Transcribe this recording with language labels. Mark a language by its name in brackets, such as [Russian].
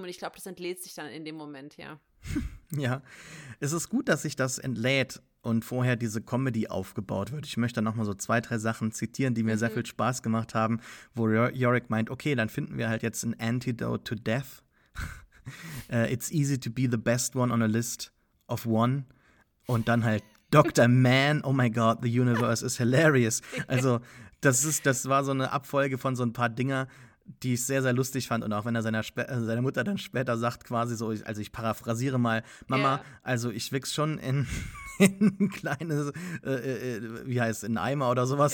[German] Und ich glaube, das entlädt sich dann in dem Moment, ja. Ja, es ist gut, dass sich das entlädt und vorher diese Comedy aufgebaut wird. Ich möchte nochmal so zwei, drei Sachen zitieren, die mir sehr viel Spaß gemacht haben, wo Yorick meint, okay, dann finden wir halt jetzt ein Antidote to Death. [English] It's easy to be the best one on a list of one. [German] Und dann halt [English] Dr. Man, oh my God, the universe is hilarious. [German] Also das war so eine Abfolge von so ein paar Dinger, die ich sehr, sehr lustig fand. Und auch wenn er seine Mutter dann später sagt, quasi so, ich paraphrasiere mal, Mama, also ich wichse schon in ein kleines, wie heißt es, in Eimer oder sowas,